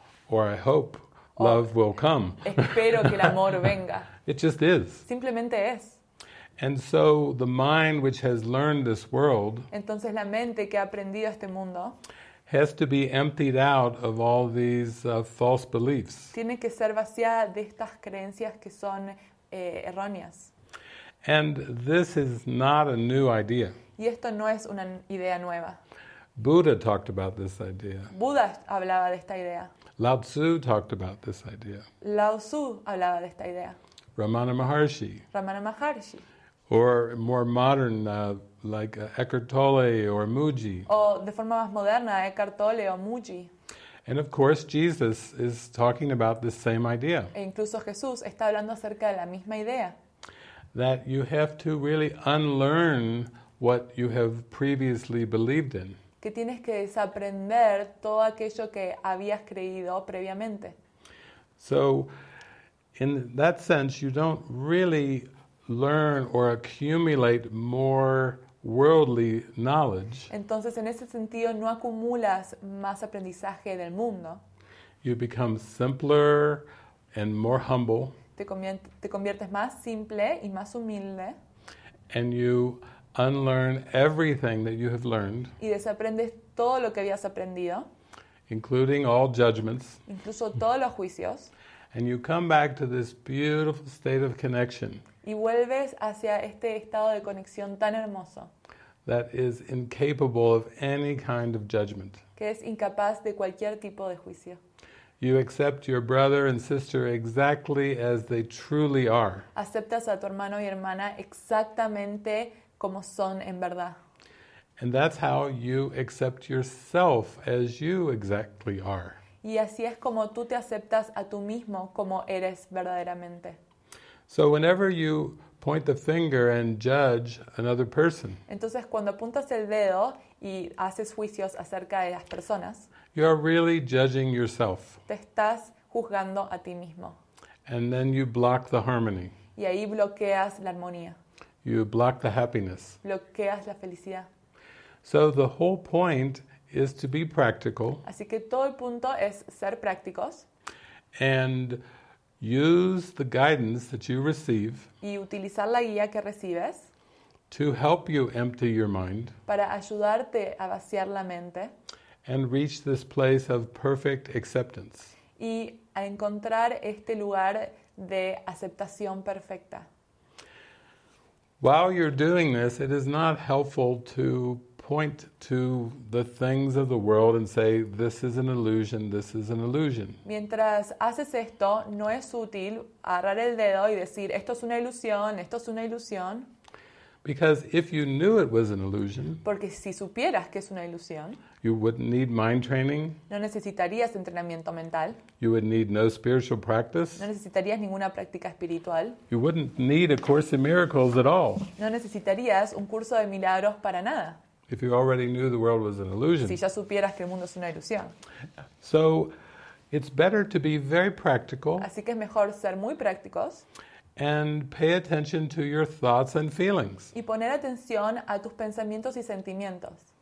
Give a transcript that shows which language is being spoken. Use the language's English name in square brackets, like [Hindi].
[English] Or I hope love will come. [Spanish] Espero que el amor venga. [English] It just is. [Spanish] Simplemente es. [English] And so the mind which has learned this world, [Spanish] entonces la mente que ha aprendido este mundo, [English] has to be emptied out of all these false beliefs. [Spanish] Tiene que ser vaciada de estas creencias que son erróneas. [English] And this is not a new idea. [Spanish] Y esto no es una idea nueva. [English] Buddha talked about this idea. [Spanish] Buda hablaba de esta idea. [English] Lao Tzu talked about this idea. [Spanish] Lao Tzu hablaba de esta idea. [English] Ramana Maharshi. Or more modern, like Eckhart Tolle or Muji. [Spanish] O de forma más moderna, Eckhart Tolle o Muji. [English] And of course, Jesus is talking about the same idea. [Spanish] E incluso Jesús está hablando acerca de la misma idea. [English] That you have to really unlearn what you have previously believed in. [Spanish] Que tienes que desaprender todo aquello que habías creído previamente. [English] So, in that sense, you don't really learn or accumulate more worldly knowledge. [Spanish] Entonces, en ese sentido, no acumulas más aprendizaje del mundo. [English] You become simpler and more humble. [Spanish] Te conviertes más simple y más humilde. [English] And you unlearn everything that you have learned. [Spanish] Y desaprendes todo lo que habías aprendido. [English] Including all judgments. [Spanish] Incluso todos los juicios. [English] And you come back to this beautiful state of connection. [Spanish] Y vuelves hacia este estado de conexión tan hermoso. [English] That is incapable of any kind of judgment. [Spanish] Que es incapaz de cualquier tipo de juicio. [English] You accept your brother and sister exactly as they truly are. [Spanish] Aceptas a tu hermano y hermana exactamente como son en verdad. [English] And that's how you accept yourself as you exactly are. [Spanish] Y así es como tú te aceptas a tú mismo como eres verdaderamente. [English] So whenever you point the finger and judge another person. [Spanish] Entonces cuando apuntas el dedo y haces juicios acerca de las personas. [English] You are really judging yourself. [Spanish] Te estás juzgando a ti mismo. [English] And then you block the harmony. [Spanish] Y ahí bloqueas la armonía. [English] You block the happiness. [Spanish] Bloqueas la felicidad. [English] So the whole point is to be practical. [Spanish] Así que todo el punto es ser prácticos. [English] And use the guidance that you receive. [Spanish] Y utilizar la guía que recibes. [English] To help you empty your mind. [Spanish] Para ayudarte a vaciar la mente. [English] And reach this place of perfect acceptance. [Spanish] Y a encontrar este lugar de aceptación perfecta. [English] While you're doing this, it is not helpful to point to the things of the world and say, this is an illusion, this is an illusion. [Spanish] Mientras haces esto, no es útil agarrar el dedo y decir, esto es una ilusión, esto es una ilusión. [English] Because if you knew it was an illusion, [Spanish] porque si supieras que es una ilusión, [English] you wouldn't need mind training. [Spanish] No necesitarías entrenamiento mental. [English] You would need no spiritual practice. [Spanish] No necesitarías ninguna práctica espiritual. [English] You wouldn't need a course in miracles at all. [Spanish] No necesitarías un curso de milagros para nada. [English] If you already knew the world was an illusion. [Spanish] Si ya supieras que el mundo es una ilusión. [English] So, it's better to be very practical. [Spanish] Así que es mejor ser muy prácticos. [English] And pay attention to your thoughts and feelings. [Spanish] Y poner atención a tus pensamientos y sentimientos.